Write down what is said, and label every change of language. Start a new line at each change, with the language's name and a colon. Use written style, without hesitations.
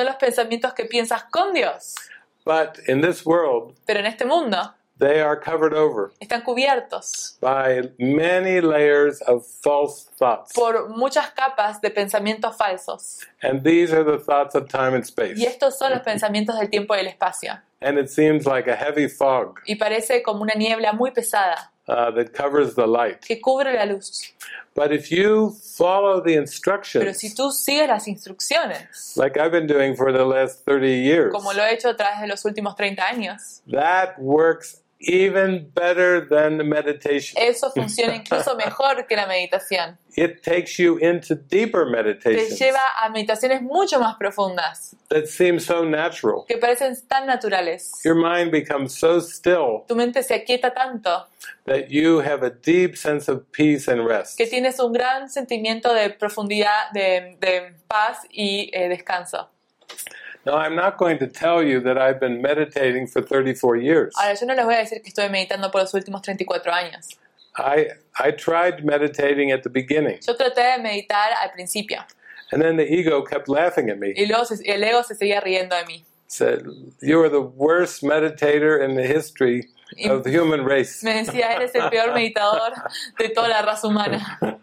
Spanish: Son los pensamientos que piensas con Dios.
English: But in this world,
Spanish: pero en este mundo,
English: they are covered over.
Spanish: Están cubiertos.
English: By many layers of false thoughts.
Spanish: Por muchas capas de pensamientos falsos.
English: And these are the thoughts of time and space.
Spanish: Y estos son los pensamientos del tiempo y el espacio.
English: And it seems like a heavy fog.
Spanish: Y parece como una niebla muy pesada.
English: That covers the light.
Spanish: Que cubre la luz.
English: But if you follow the instructions.
Spanish: Pero si tú sigues las instrucciones.
English: Like I've been doing for the last 30 years.
Spanish: Como lo he hecho a través de los últimos 30 años.
English: That works even better than the meditation.
Spanish: Eso funciona incluso mejor que la meditación.
English: It takes you into deeper meditations.
Spanish: Te lleva a meditaciones mucho más profundas.
English: That seem so natural.
Spanish: Que parecen tan naturales.
English: Your mind becomes so still.
Spanish: Tu mente se aquieta tanto.
English: That you have a deep sense of peace and rest.
Spanish: Que tienes un gran sentimiento de profundidad, de paz y descanso.
English: Now I'm not going to tell you that I've been meditating for 34 years.
Spanish: Ahora yo no les voy a decir que estoy meditando por los últimos 34 años.
English: I tried meditating at the beginning.
Spanish: Yo traté de meditar al principio.
English: And then the ego kept laughing at me.
Spanish: Y luego el ego se seguía riendo de mí.
English: Said, "You are the worst meditator in the history of the human race."
Spanish: Me decía, eres el peor meditador de toda la raza humana.